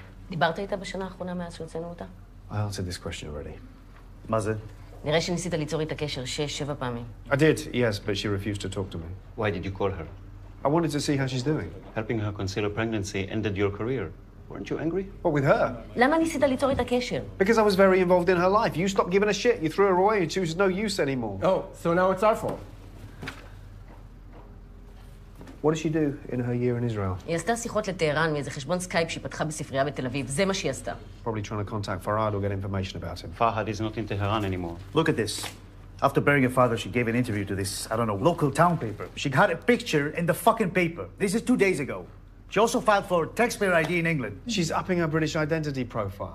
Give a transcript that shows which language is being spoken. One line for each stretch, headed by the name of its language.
Hebrew: דיברת איתה בשנה האחרונה מאז שהוצאנו אותה?
English: I answered this question already.
Hebrew: מה זה? נראה שניסית ליצור איתה קשר 6-7 פעמים.
English: I did, yes, but she refused to talk to me. Why did you call her? I wanted to see how she's doing. Helping her conceal a pregnancy ended your career. Weren't you angry? What, with her?
Hebrew: למה ניסית ליצור איתה קשר?
English: Because I was very involved in her life. You stopped giving a shit. You threw her away and she was no use anymore. Oh, so now it's our fault. What did she do in her year in Israel?
Hebrew: היא עשתה שיחות לטהרן מאיזה חשבון סקייפ שהיא פתחה בספרייה בתל אביב. זה מה שהיא עשתה.
English: Probably trying to contact Farhad or get information about him. Farhad is not in Tehran anymore. Look at this. After burying her father, she gave an interview to this, I don't know, local town paper. She had a picture in the fucking paper. This is 2 days ago. She also filed for taxpayer ID in England. She's upping her British identity profile.